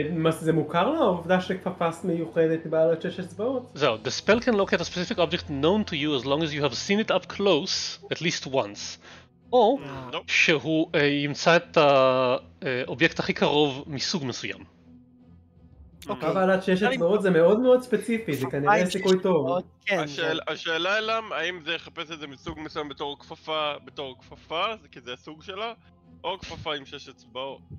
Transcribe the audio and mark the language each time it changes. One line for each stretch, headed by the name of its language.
Hebrew: זה מוכר לו העובדה שכפפה מיוחדת בעלות שש אצבעות? זהו,
English: the spell can locate a specific object known to you as long as you have seen it up close at least once.
Hebrew: או שהוא ימצא את האובייקט הכי קרוב מסוג מסוים. אוקיי. אבל עד שיש אצבעות זה מאוד מאוד ספציפי, זה כנראה סיכוי טוב. השאלה אליהם, האם זה יחפש את זה מסוג מסוים בתור כפפה, כי זה הסוג שלה, או כפפה עם שש אצבעות?